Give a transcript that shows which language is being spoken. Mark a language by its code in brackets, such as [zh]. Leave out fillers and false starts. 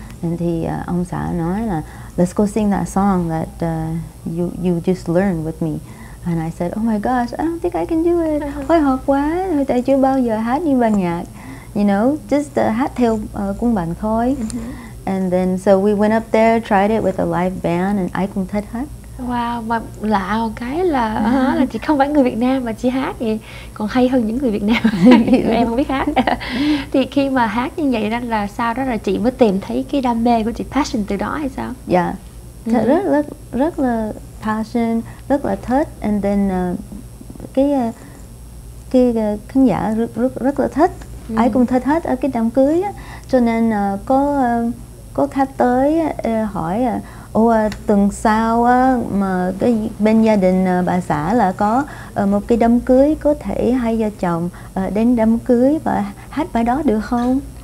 [en] And [vi] thì ông xã nói là [en] let's go sing that song that you just learned with me. And I said, oh my gosh, I don't think I can do it. [vi] Hồi hộp quá, tại chưa bao giờ hát như ban nhạc. [en] You know, just [vi] hát theo cung bằng thôi. [en] And then, so we went up there, tried it with a live band, and I [vi] cũng thích hát. Wow, mà lạ một cái là là chị không phải người Việt Nam mà chị hát thì còn hay hơn những người Việt Nam. Em không biết hát. Thì khi mà hát như vậy là sao đó là chị mới tìm thấy cái đam mê của chị, passion từ đó hay sao? Yeah, rất là passion, rất là thích, [en] and then [vi] cái khán giả rất là thích, ai cũng thích hết ở cái đám cưới, cho nên có khách tới hỏi, tuần sau mà cái bên gia đình bà xã là có một cái đám cưới, có thể hai vợ chồng đến đám cưới và hát bài đó được không?